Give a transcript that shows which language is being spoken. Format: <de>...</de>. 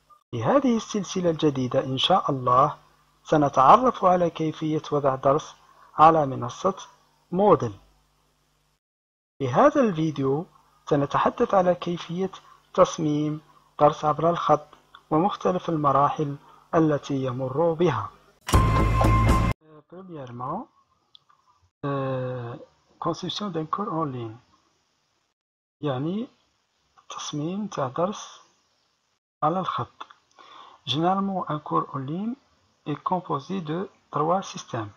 <ar>في هذه السلسلة الجديدة إن شاء الله سنتعرف على كيفية وضع درس على منصة مودل. في هذا الفيديو سنتحدث على كيفية تصميم درس عبر الخط ومختلف المراحل التي يمر بها.</ar> <fr>Premièrement, conception d'un cours en ligne.</fr> <ar>يعني تصميم تاع درس على الخط.</ar> <fr>Généralement, un cours en ligne est composé de trois systèmes.</fr>